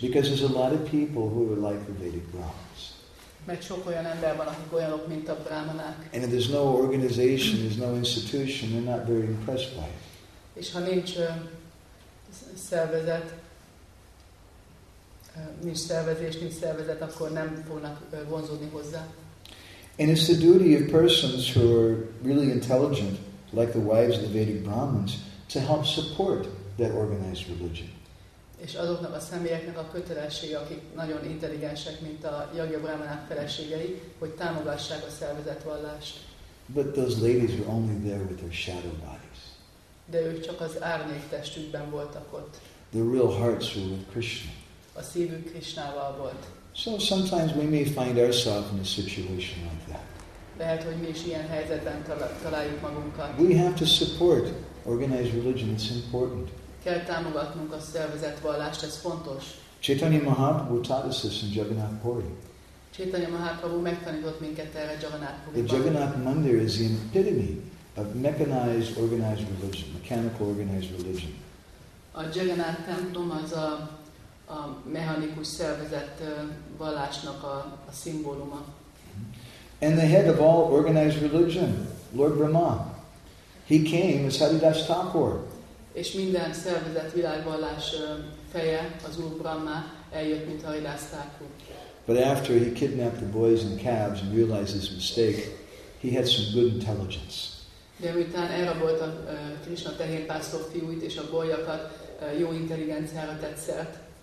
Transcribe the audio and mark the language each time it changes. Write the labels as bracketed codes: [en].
[en] Because there's a lot of people who are like the Vedic Brahmins. [hu] Mert sok olyan ember van, akik olyanok, mint a brahmanák. [en] And if there's no organization, there's no institution, they're not very impressed by it. [hu] És ha nincs szervezet, nincs szervezés, nincs szervezet, akkor nem fognak vonzódni hozzá. [en] And it's the duty of persons who are really intelligent, like the wives of the Vedic Brahmins, to help support that organized religion. [hu] És azoknak a személyeknek a kötelessége, akik nagyon intelligensek, mint a Yajna Brahmanák feleségei, hogy támogassák a szervezett vallást. [en] But those ladies were only there with their shadow bodies. [hu] De ők csak az árnyék testükben voltak ott. [en] The real hearts were with Krishna. [hu] A szívük Krishnával volt. [en] So sometimes we may find ourselves in a situation like that. [hu] Lehet, hogy mi is ilyen helyzetben találjuk magunkat. [en] We have to support organized religion. It's important. [hu] Kell támogatnunk a szervezett vallást. Ez fontos. [en] Chaitanya Mahaprabhu taught us this in Jagannath Puri. [hu] Chaitanya Mahaprabhu megtanított minket erre Jagannath Puriban. [en] The Jagannath Mandir is the epitome of mechanized organized religion, mechanical organized religion. [hu] A Jagannath templom az a mechanikus szervezett vallásnak a szimbóluma. [en] And the head of all organized religion, Lord Brahma, he came as Haridas Thakur. [hu] És minden szervezett világvallás feje, az Úr Brahma, eljött, mint Haridas Thakur. [en] But after he kidnapped the boys and calves and realized his mistake, he had some good intelligence. [hu] De miután elrabolt a Krishna tehénpásztó fiúit és a bolyakat, jó intelligenciára tett szert.